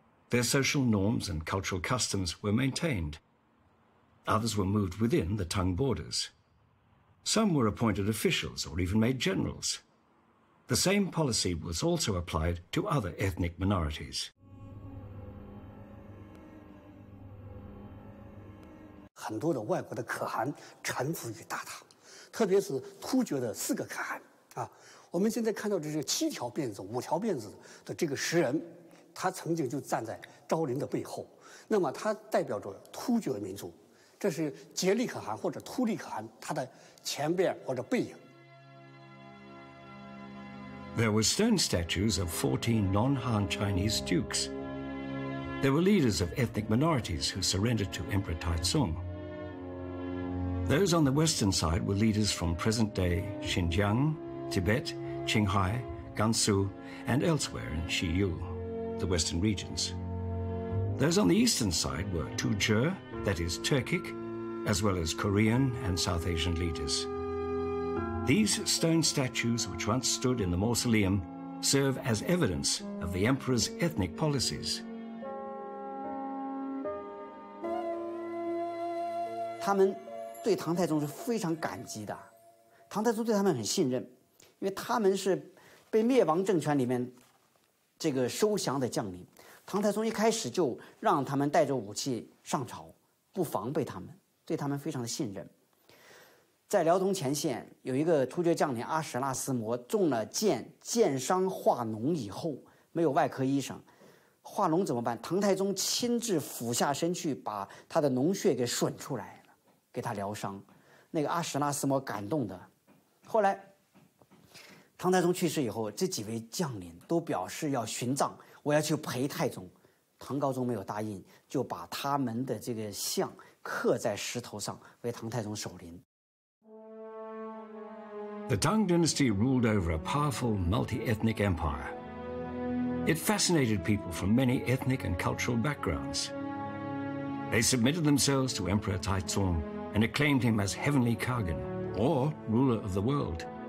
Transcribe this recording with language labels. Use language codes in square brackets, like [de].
[en] Their social norms and cultural customs were maintained. Others were moved within the Tang borders. Some were appointed officials or even made generals. The same policy was also applied to other ethnic minorities. [zh] 很多的外国的可汗臣服于大唐，特别是突厥的四个可汗啊。我们现在看到这是七条辫子、五条辫子的这个石人，他曾经就站在昭陵的背后，那么他代表着突厥民族。这是杰利可汗或者突利可汗他的前边或者背影。 [en] There were stone statues of 14 non-Han Chinese dukes. There were leaders of ethnic minorities who surrendered to Emperor Taizong. Those on the western side were leaders from present-day Xinjiang, Tibet, Qinghai, Gansu, and elsewhere in Xiyu, the western regions. Those on the eastern side were Tujer,that is Turkic, as well as Korean and South Asian leaders. These stone statues, which once stood in the mausoleum, serve as evidence of the emperor's ethnic policies. [zh] 他们对唐太宗是非常感激的，唐太宗对他们很信任，因为他们是被灭亡政权里面这个收降的将领。唐太宗一开始就让他们带着武器上朝。不防备他们，对他们非常的信任。在辽东前线，有一个突厥将领阿史拉斯摩中了箭，箭伤化脓以后，没有外科医生，化脓怎么办？唐太宗亲自俯下身去，把他的脓血给吮出来了，给他疗伤。那个阿史拉斯摩感动的，后来唐太宗去世以后，这几位将领都表示要寻葬，我要去陪太宗。唐高宗没有答应，就把他们的这个像刻在石头上，为唐太宗守灵。 [en] The Tang Dynasty ruled over a powerful multi-ethnic empire. It fascinated people from many ethnic and cultural backgrounds. They submitted themselves to Emperor Taizong and acclaimed him as heavenly Khagan, or ruler of the world.